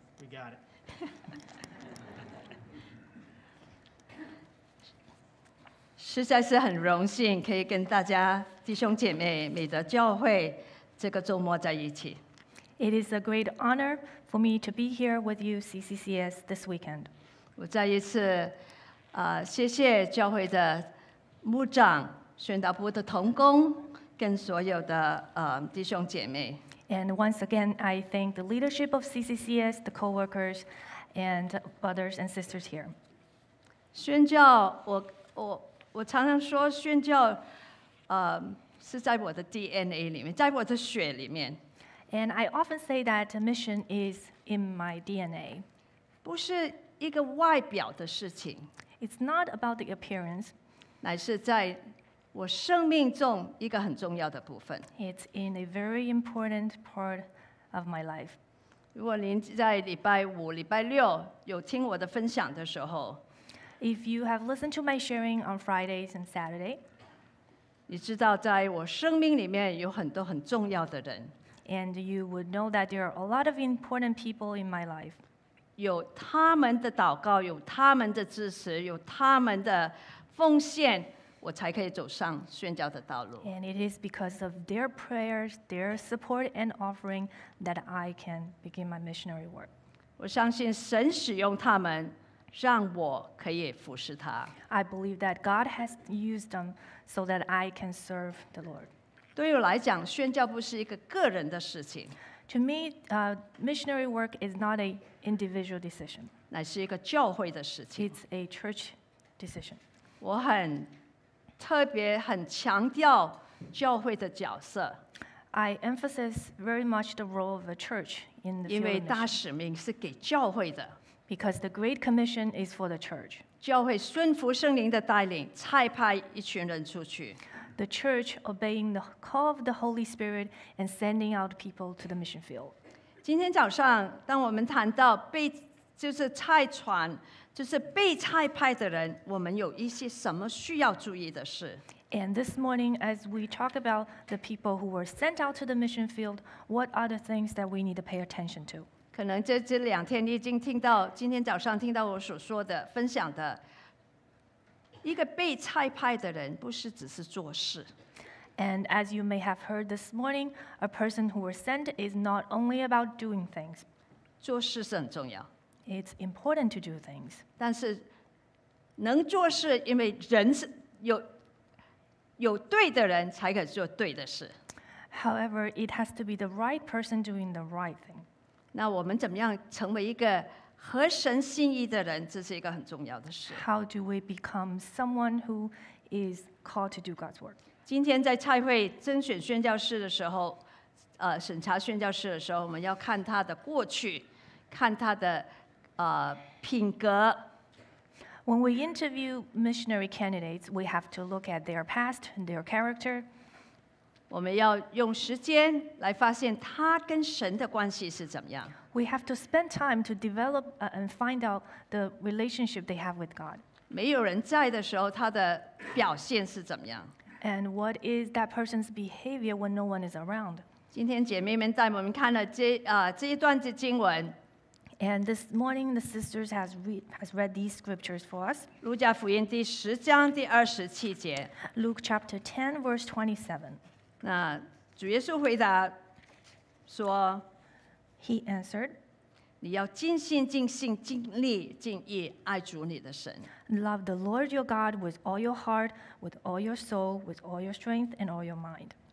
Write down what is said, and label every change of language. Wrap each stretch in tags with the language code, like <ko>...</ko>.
<en>Got it.</en> <zh>实在是很荣幸可以跟大家弟兄姐妹美德教会这个周末在一起。</zh> <en>It is a great honor for me to be here with you, CCCS, this weekend.</en> <zh>我再一次谢谢教会的牧长、宣道部的同工跟所有的弟兄姐妹。</zh> <en>And once again, I thank the leadership of CCCS, the co-workers, and brothers and sisters here.</en> <zh>宣教，我常常说宣教，是在我的 DNA 里面，在我的血里面。</zh> <en>And I often say that mission is in my DNA.</en> <zh>不是一个外表的事情。</zh> <en>It's not about the appearance.</en> <zh>乃是在我生命中一个很重要的部分。</zh> <en>It's in a very important part of my life.</en> <zh>如果您在礼拜五、礼拜六有听我的分享的时候</zh> <en>，If you have listened to my sharing on Fridays and Saturday,</en> <zh>你知道在我生命里面有很多很重要的人。</zh> <en>And you would know that there are a lot of important people in my life.</en> <zh>有他们的祷告，有他们的支持，有他们的奉献。我才可以走上宣教的道路。</zh> <en>And it is because of their prayers, their support and offering that I can begin my missionary work.</en> <zh>我相信神使用他们让我可以服侍他。</zh> <en>I believe that God has used them so that I can serve the Lord.</en> <zh>对我来讲，宣教不是一个个人的事情。</zh> <en>To me, missionary work is not an individual decision.</en> <zh>乃是一个教会的事情。</zh> <en>It's a church decision.</en> <zh>我很特别很强调教会的角色。</zh> <en>I emphasize very much the role of a church in the field of mission.</en> <zh>因为大使命是给教会的。</zh> <en>Because the Great Commission is for the church.</en> <zh>教会顺服圣灵的带领，差派一群人出去。</zh> <en>The church obeying the call of the Holy Spirit and sending out people to the mission field.</en> <zh>今天早上，当我们谈到被就是差传，就是被差派的人，我们有一些什么需要注意的事？</zh> <en>And this morning, as we talk about the people who were sent out to the mission field, what are the things that we need to pay attention to?</en> <zh>可能这两天你已经听到，今天早上听到我所说的、分享的，一个被差派的人不是只是做事。</zh> <en>And as you may have heard this morning, a person who was sent is not only about doing things.</en> <zh>做事是很重要。</zh> <en>It's important to do things.</en> <zh>但是能做事，因为人是有。有对的人才可以做对的事。</zh> <en>However, it has to be the right person doing the right thing.</en> <zh>那我们怎么样成为一个合神心意的人？这是一个很重要的事。</zh> <en>How do we become someone who is called to do God's work?</en> <zh>今天在差会甄选宣教士的时候，审查宣教士的时候，我们要看他的过去，看他的品格。</zh> <en>When we interview missionary candidates, we have to look at their past and their character.</en> <zh>我们要用时间来发现他跟神的关系是怎么样。</zh> <en>We have to spend time to develop and find out the relationship they have with God.</en> <zh>没有人在的时候，他的表现是怎么样。</zh> <en>And what is that person's behavior when no one is around?</en> <zh>今天姐妹们带我们看了这一段的经文。</zh> <en>And this morning, the sisters has read these scriptures for us.</en> <zh>路加福音第十章第二十七节。</zh> <en>Luke chapter 10, verse 27.</en> <zh>那主耶稣回答说</zh> <en>，He answered,</en> <zh>你要尽心、尽性、尽力、尽意爱主你的神。</zh> <en>Love the Lord your God with all your heart, with all your soul, with all your strength, and all your mind.</en>